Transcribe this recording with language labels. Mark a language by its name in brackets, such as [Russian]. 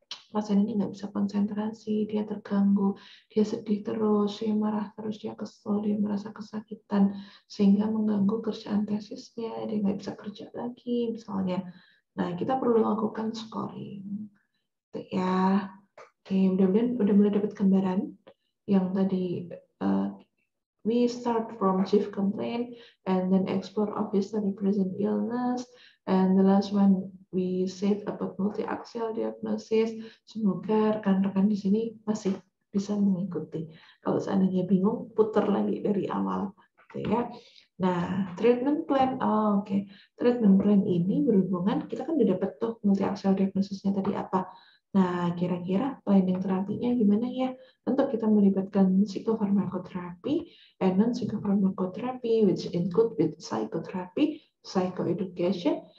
[Indonesian] Pasien ini nggak bisa konsentrasi, dia terganggu, dia sedih terus, dia marah terus, dia kesel, dia merasa kesakitan, sehingga mengganggu kerjaan tesisnya, dia nggak bisa kerja lagi, misalnya. Nah, kita perlu lakukan scoring. Itu ya. Oke, mudah-mudahan udah mulai dapat gambaran yang tadi. [English] We start from chief complaint and then explore of history present illness. And the last one, we said about multi-axial diagnosis. [Indonesian] Semoga rekan-rekan di sini masih bisa mengikuti. Kalau seandainya bingung, putar lagi dari awal. Gitu ya. Nah, treatment plan. Oh, oke. Okay. Treatment plan ini berhubungan, kita kan udah dapat tuh multi-axial diagnosisnya tadi apa. Nah, kira-kira planning terapinya gimana ya? Tentu kita melibatkan psikofarmakoterapi and non-psikofarmakoterapi, [English] which include with psychotherapy, psychoeducation.